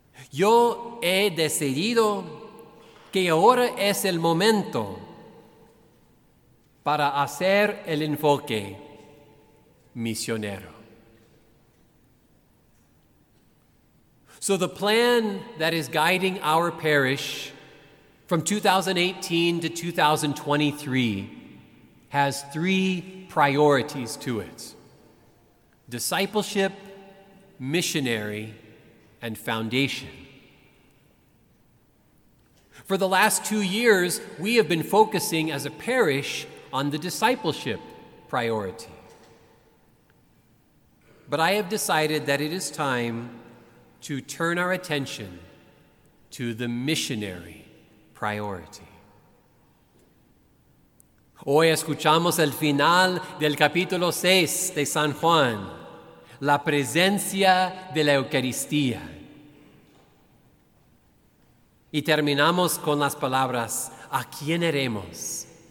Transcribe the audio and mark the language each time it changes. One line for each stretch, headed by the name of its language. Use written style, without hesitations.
Spanish: Yo he decidido que ahora es el momento para hacer el enfoque misionero.
English: So the plan that is guiding our parish from 2018 to 2023 has 3 priorities to it: discipleship, missionary, and foundation. For the last 2 years, we have been focusing as a parish on the discipleship priority. But I have decided that it is time to turn our attention to the missionary priority.
Spanish: Hoy escuchamos el final del capítulo 6 de San Juan, la presencia de la Eucaristía. Y terminamos con las palabras: ¿a quién iremos?